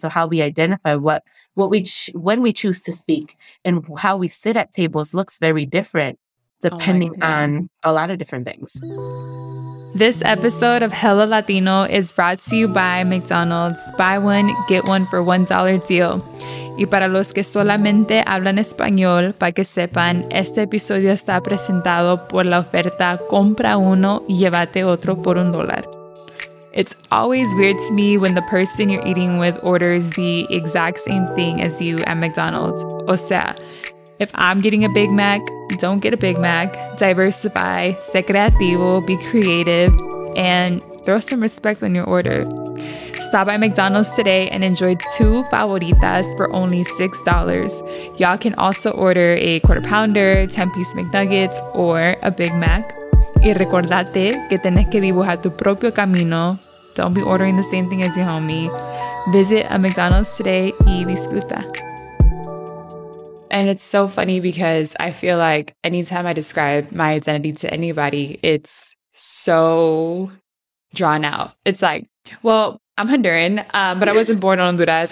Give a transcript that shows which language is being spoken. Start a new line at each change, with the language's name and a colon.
English: So how we identify when we choose to speak and how we sit at tables looks very different depending on a lot of different things. This episode of Hello Latino is brought to you by McDonald's. Buy one, get one for $1 deal.
Spanish: Y para los que solamente hablan español, para que sepan, este episodio está presentado por la oferta Compra Uno y Llévate Otro por un dólar.
English: It's always weird to me when the person you're eating with orders the exact same thing as you at McDonald's.
Spanish: O sea,
English: if I'm getting a Big Mac, don't get a Big Mac. Diversify,
Spanish: sé creativo,
English: be creative, and throw some respect on your order. Stop by McDonald's today and enjoy two favoritas for only $6. Y'all can also order a quarter pounder, 10-piece McNuggets, or a Big Mac.
Spanish: Y recordate que tienes que dibujar tu propio camino.
English: Don't be ordering the same thing as your homie. Visit a McDonald's today
Spanish: y disfruta.
English: And it's so funny because I feel like anytime I describe my identity to anybody, it's so drawn out. It's like, well, I'm Honduran, but I wasn't born in Honduras.